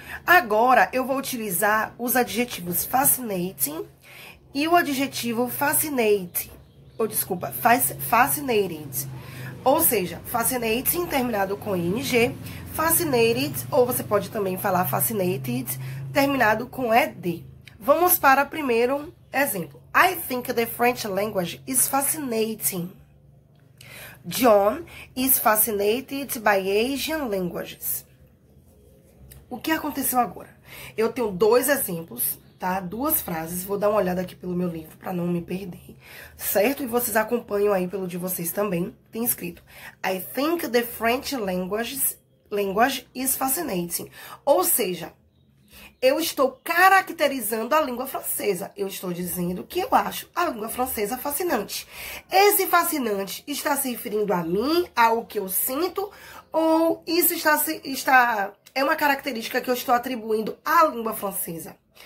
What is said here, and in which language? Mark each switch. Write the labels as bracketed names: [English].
[Portuguese] Agora eu vou utilizar os adjetivos fascinating e o adjetivo fascinate, ou desculpa, fascinated. Ou seja, fascinating terminado com ing, fascinated, ou você pode também falar fascinated terminado com ed. Vamos para o primeiro exemplo. [English] I think the French language is fascinating. John is fascinated by Asian languages. [Portuguese] O que aconteceu agora? Eu tenho dois exemplos, tá? Duas frases. Vou dar uma olhada aqui pelo meu livro para não me perder, certo? E vocês acompanham aí pelo de vocês também. Tem escrito: [English] I think the French language is fascinating. [Portuguese] Ou seja, eu estou caracterizando a língua francesa. Eu estou dizendo que eu acho a língua francesa fascinante. Esse fascinante está se referindo a mim, ao que eu sinto, ou isso é uma característica que eu estou atribuindo à língua francesa?